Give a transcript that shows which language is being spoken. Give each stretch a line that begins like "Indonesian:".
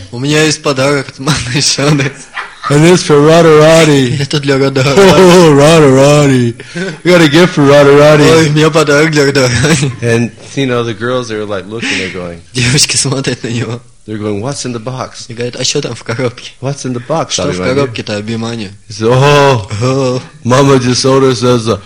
Russian: У меня есть подарок от мамы Yashoda.
English: And this for Radharani.
Russian: Это для Радхарани.
English: Oh, Radharani. You got a gift for Radharani.
Russian: Ой, у меня подарок для Радхарани.
English: And, you know, the girls are like looking, they're going.
Russian: Девочки смотрят на него.
English: They're going, "What's in the box?"
Russian: И говорят, а что там в коробке?
English: What's in the box,
Russian: что Abhimanyu? Что в коробке-то, Абхимани?
English: He says, "Oh, Mama Yashoda says